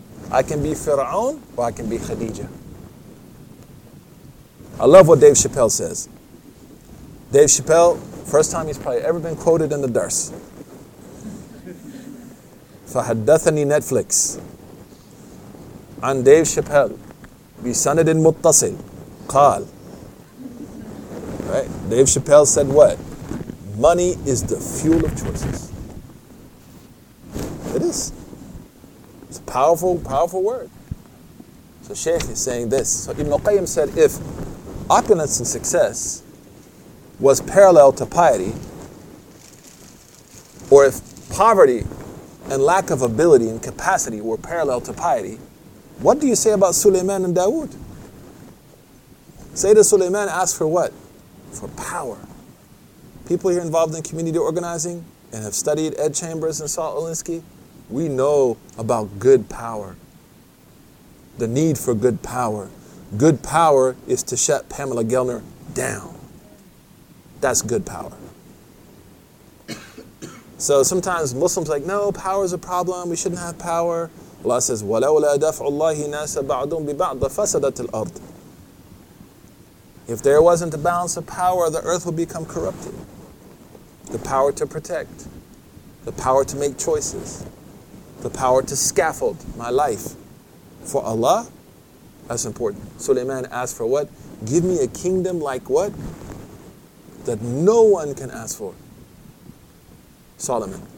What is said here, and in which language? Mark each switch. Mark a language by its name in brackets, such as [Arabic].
[English] I can be Fir'aun, or I can be Khadija. I love what Dave Chappelle says. Dave Chappelle, first time he's probably ever been quoted in the Dars. [Arabic] فَحَدَّثَنِي Netflix. عَنْ Dave Chappelle بِسَنَدٍ مُتَّصِلٍ قَال. [English] Right? Dave Chappelle said what? Money is the fuel of choices. It is. It's a powerful, powerful word. So Sheikh is saying this. So Ibn Qayyim said, if opulence and success was parallel to piety, or if poverty and lack of ability and capacity were parallel to piety, what do you say about Sulaiman and Dawood? Sayyidina Sulaiman asked for what? For power. People here involved in community organizing and have studied Ed Chambers and Saul Alinsky, we know about good power. The need for good power. Good power is to shut Pamela Gellner down. That's good power. So sometimes Muslims are like, no, power is a problem, we shouldn't have power. Allah says, [Arabic] وَلَوْلَا دَفْعُ اللَّهِ نَاسَ بَعْضٌ بِبَعْضٍ فَسَدَتِ الْأَرْضِ. [English] If there wasn't a balance of power, the earth would become corrupted. The power to protect, the power to make choices, the power to scaffold my life for Allah, that's important. Sulaiman asked for what? Give me a kingdom like what? That no one can ask for. Solomon.